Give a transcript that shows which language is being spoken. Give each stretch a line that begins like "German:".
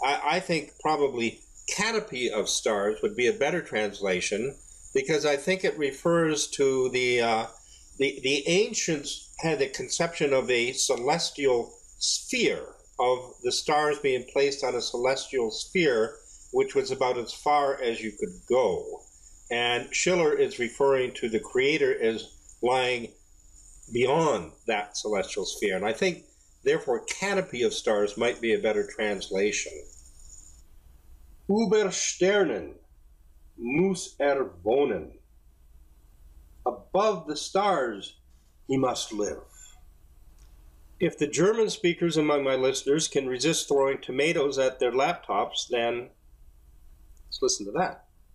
English: I think probably canopy of stars would be a better translation, because I think it refers to the ancients had a conception of a celestial sphere, of the stars being placed on a celestial sphere, which was about as far as you could go. And Schiller is referring to the Creator as lying beyond that celestial sphere. And I think, therefore, canopy of stars might be a better translation.
German: Über Sternen muss wohnen.
English: Above the stars, he must live. If the German speakers among my listeners can resist throwing tomatoes at their laptops, then let's listen to that.